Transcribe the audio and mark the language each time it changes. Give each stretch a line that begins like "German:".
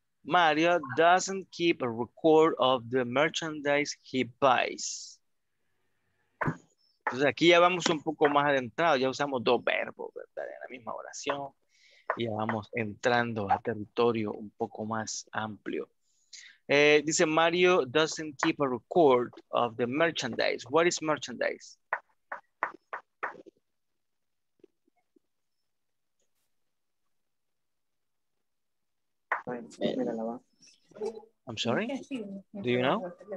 English: Mario doesn't keep a record of the merchandise he buys.
Spanish: Entonces, aquí ya vamos un poco más adentrado. Ya usamos dos verbos, ¿verdad? En la misma oración. Y ya vamos entrando a territorio un poco más amplio.
English: Dice, Mario doesn't keep a record of the merchandise. What is merchandise? I'm sorry. Do you know?